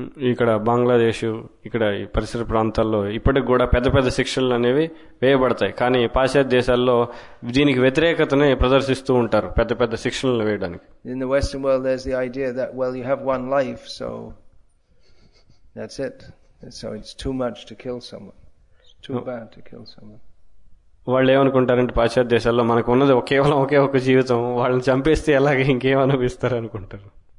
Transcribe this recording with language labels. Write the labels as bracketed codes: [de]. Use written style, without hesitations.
[te] ఇక్కడ బంగ్లాదేశ్ ఇక్కడ ఈ పరిసర ప్రాంతాల్లో ఇప్పటికి కూడా పెద్ద పెద్ద శిక్షలు అనేవి వేయబడతాయి, కానీ పాశ్చాత్య దేశాల్లో దీనికి వ్యతిరేకతనే ప్రదర్శిస్తూ ఉంటారు పెద్ద పెద్ద శిక్షలు వేయడానికి. [en] In the Western world there's the idea that, well, you have one life, so that's it, so it's too much to kill someone. Too bad to kill someone. [te] వాళ్ళు ఏమనుకుంటారంటే పాశ్చాత్య దేశాల్లో మనకు ఉన్నది కేవలం ఒకే ఒక జీవితం, వాళ్ళని చంపేస్తే ఎలాగే ఇంకేమనిపిస్తారు అనుకుంటారు.